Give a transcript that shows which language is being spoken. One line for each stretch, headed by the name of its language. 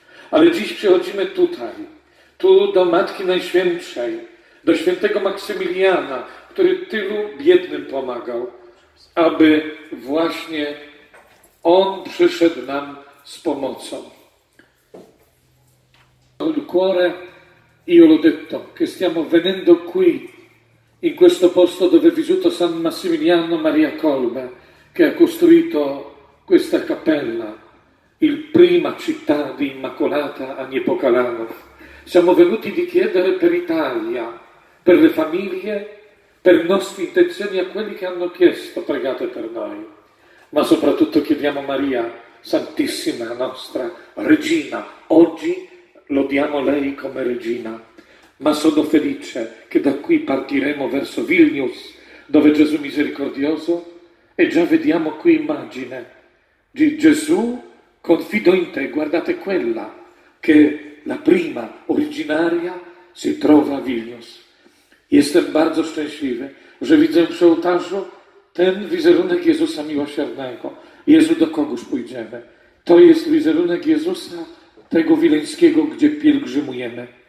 Polish: Ale dziś przychodzimy tutaj, tu do Matki Najświętszej, do świętego Maksymiliana, który tylu biednym pomagał, aby właśnie on przyszedł nam z pomocą.
Italian: Il cuore io l'ho detto che stiamo venendo qui in questo posto dove è vissuto San Massimiliano Maria Colbe, che ha costruito questa cappella, il prima città di Immacolata a Nipokalano. Siamo venuti di chiedere per Italia, per le famiglie, per nostre intenzioni, a quelli che hanno chiesto, pregate per noi. Ma soprattutto chiediamo Maria Santissima, nostra Regina, oggi lodiamo lei come regina, ma sono felice che da qui partiremo verso Vilnius, dove Gesù misericordioso, e già vediamo qui immagine di Gesù, confido in te, guardate quella che la prima originaria si trova a Vilnius.
Polish: Jestem bardzo szczęśliwy, że widzę przy ołtarzu ten wizerunek Jezusa miłosiernego. Jezu, do kogoż pójdziemy? To jest wizerunek Jezusa tego wileńskiego, gdzie pielgrzymujemy.